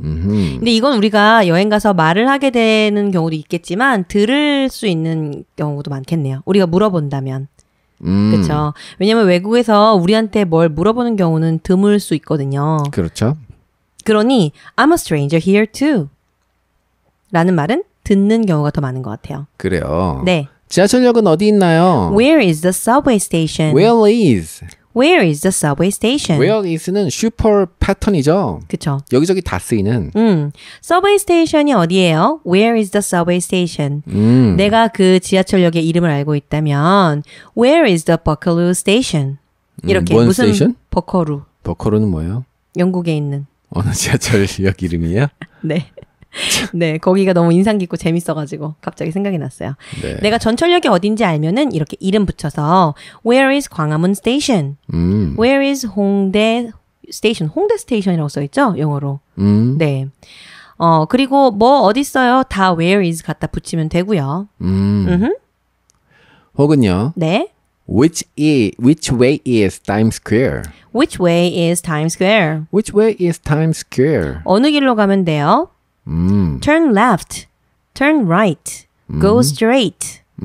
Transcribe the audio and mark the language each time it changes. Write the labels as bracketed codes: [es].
[ko] 근데 이건 우리가 여행 가서 말을 하게 되는 경우도 있겠지만 들을 수 있는 경우도 많겠네요. 우리가 물어본다면. 그렇죠. 왜냐면 외국에서 우리한테 뭘 물어보는 경우는 드물 수 있거든요. 그렇죠. 그러니 [en] I'm a stranger here too [ko] 라는 말은 듣는 경우가 더 많은 것 같아요. 그래요. 네. 지하철역은 어디 있나요? [en] Where is the subway station? Where is the subway station? [ko] Where is는 슈퍼 패턴이죠. 그렇죠. 여기저기 다 쓰이는. Subway station이 어디예요? [en] Where is the subway station? [ko] 내가 그 지하철역의 이름을 알고 있다면 [en] Where is the Buckaroo station? [ko] 이렇게 무슨 [en] station? [ko] 버커루. 버커루는 뭐예요? 영국에 있는. 어느 지하철역 이름이요? 네. 네, 거기가 너무 인상 깊고 재밌어가지고 갑자기 생각이 났어요. 네. 내가 전철역이 어딘지 알면은 이렇게 이름 붙여서 [en] Where is [ko] 광화문 Station? [en] Where is 홍대 Station? [ko] 홍대 Station이라고 써있죠? 영어로. 네. 그리고 뭐 어딨어요? 다 Where is 갖다 붙이면 되고요. 혹은요. 네. [en] Which way is Times Square? Which way is Times Square? Which way is Times Square? [ko] 어느 길로 가면 돼요? [en] Turn left, turn right, go straight.